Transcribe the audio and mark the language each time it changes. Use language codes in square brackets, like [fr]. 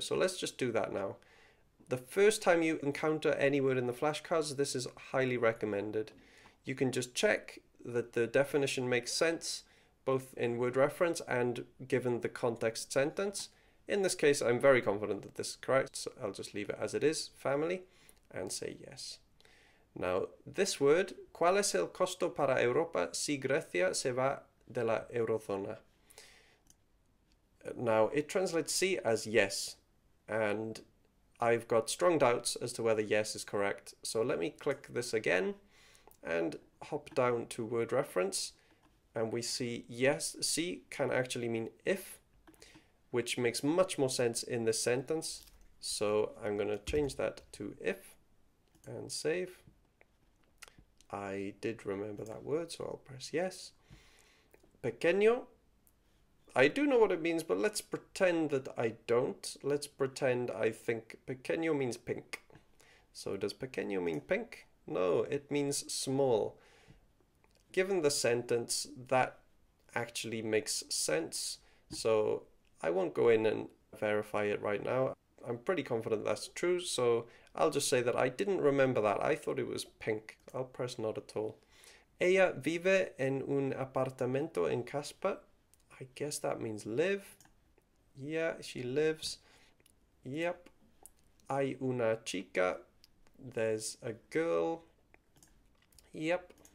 [en] So let's just do that now. The first time you encounter any word in the flashcards, this is highly recommended. You can just check that the definition makes sense, both in word reference and given the context sentence. In this case, I'm very confident that this is correct, so I'll just leave it as it is, family, and say yes. Now, this word, [es] ¿cuál es el costo para Europa si Grecia se va de la Eurozona? [en] Now, it translates sí as yes, and I've got strong doubts as to whether yes is correct. So let me click this again and hop down to word reference. And we see yes, si can actually mean if, which makes much more sense in this sentence. So I'm going to change that to if and save. I did remember that word, so I'll press yes. Pequeño. I do know what it means, but let's pretend that I don't. Let's pretend I think pequeño means pink. So does pequeño mean pink? No, it means small. Given the sentence, that actually makes sense. So I won't go in and verify it right now. I'm pretty confident that's true. So I'll just say that I didn't remember that. I thought it was pink. I'll press not at all. [es] Ella vive en un apartamento en Caspa. [en] I guess that means live. Yeah, she lives. Yep. [es] Hay una chica. [en] There's a girl. Yep.